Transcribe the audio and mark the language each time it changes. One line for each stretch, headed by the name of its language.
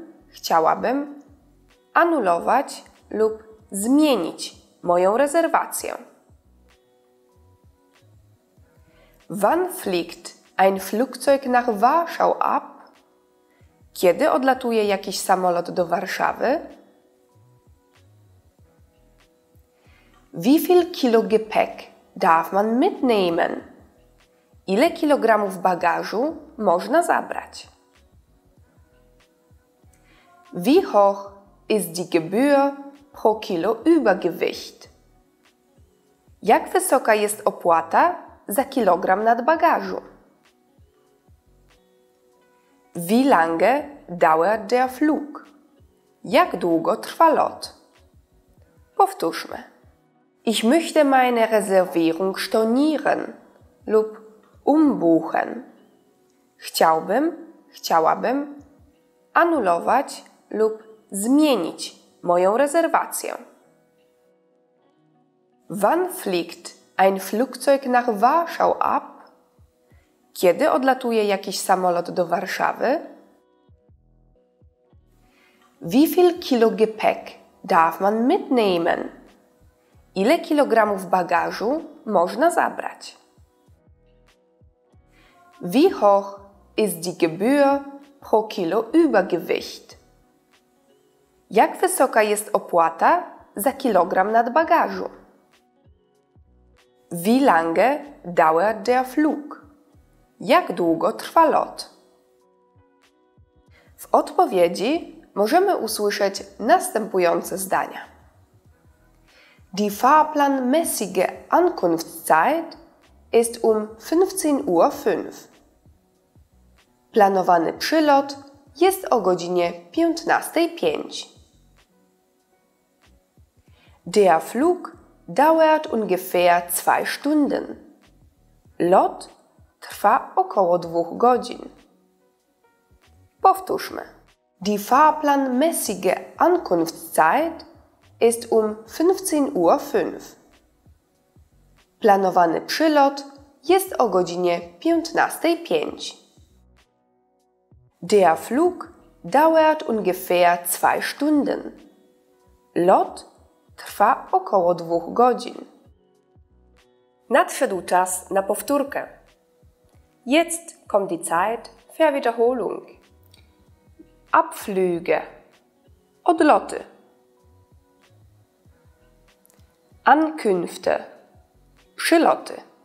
Polish: Chciałabym anulować lub zmienić moją rezerwację.
German: Wann fliegt ein Flugzeug nach Warschau ab?
Polish: Kiedy odlatuje jakiś samolot do Warszawy?
German: Wie viel Kilo Gepäck darf man mitnehmen?
Polish: Ile kilogramów bagażu można zabrać?
German: Wie hoch ist die Gebühr pro Kilo Übergewicht?
Polish: Jak wysoka jest opłata za kilogram nadbagażu?
German: Wie lange dauert der Flug?
Polish: Jak długo trwa lot? Powtórzmy.
German: Ich möchte meine Reservierung stornieren lub umbuchen.
Polish: Chciałbym, chciałabym anulować lub zmienić moją rezerwację.
German: Wann fliegt ein Flugzeug nach Warschau ab?
Polish: Kiedy odlatuje jakiś samolot do Warszawy?
German: Wie viel Kilo Gepäck darf man mitnehmen?
Polish: Ile kilogramów bagażu można zabrać?
German: Wie hoch ist die Gebühr pro Kilo Übergewicht?
Polish: Jak wysoka jest opłata za kilogram nadbagażu?
German: Wie lange dauert der Flug?
Polish: Jak długo trwa lot? W odpowiedzi możemy usłyszeć następujące zdania.
German: Die fahrplanmäßige Ankunftszeit ist 15:05.
Polish: Planowany przylot jest o godzinie 15:05.
German: Der Flug dauert ungefähr 2 Stunden.
Polish: Lot trwa około 2 godzin. Powtórzmy.
German: Die fahrplanmäßige Ankunftszeit ist 15:05.
Polish: Planowany przylot jest o godzinie 15:05.
German: Der Flug dauert ungefähr 2 Stunden.
Polish: Lot trwa około 2 godzin. Nadszedł czas na powtórkę.
German: Jetzt kommt die Zeit für Wiederholung. Abflüge. Odloty. Ankünfte. Przyloty.